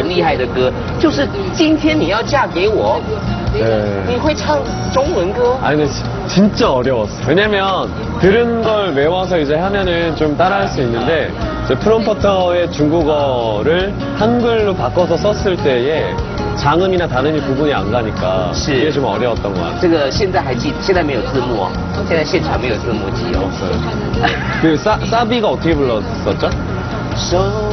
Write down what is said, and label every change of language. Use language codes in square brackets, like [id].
[zh] 真的要来一段大家会很开心因为我们最喜欢这种亲切可爱大方自然的艺人像这一次他们在台大也唱了一首很厉害的歌就是今天你要嫁给我 [ko] 네. [zh] 你会唱中文歌? [ko] 아니 근데 진짜 어려웠어. 왜냐면 들은 걸 외워서 이제 하면은 좀 따라할 수 있는데 이제 프롬포터의 중국어를 한글로 바꿔서 썼을 때에 장음이나 단음이 구분이 안 가니까 이게 좀 어려웠던 것 같아요. [zh] 이거 现在没有字幕现在现场没有字幕机哦 [ko] 없어요. 그 사비가 어떻게 불렀었죠?